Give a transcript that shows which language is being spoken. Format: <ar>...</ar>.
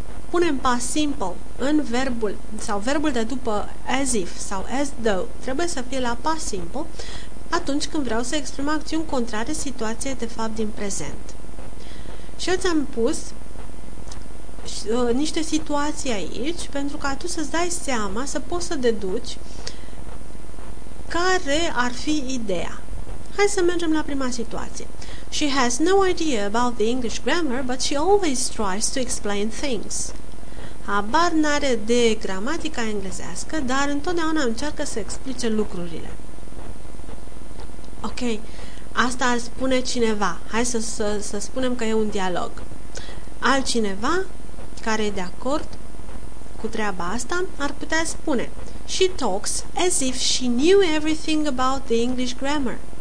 <ro>Punem past simple în verbul sau verbul de după as if sau as though trebuie să fie la past simple atunci când vreau să exprim acțiuni contrare situației de fapt din prezent. Și eu ți-am pus niște situații aici pentru ca tu să-ți dai seama, să poți să deduci care ar fi ideea. Hai să mergem la prima situație.</ro> <en>She has no idea about the English grammar, but she always tries to explain things.</en> <ro>Habar n-are de gramatica englezească, dar întotdeauna încearcă să explice lucrurile. Ok, asta ar spune cineva. Hai să spunem că e un dialog. Altcineva care e de acord cu treaba asta ar putea spune:</ro> <en>She talks as if she knew everything about the English grammar.</en>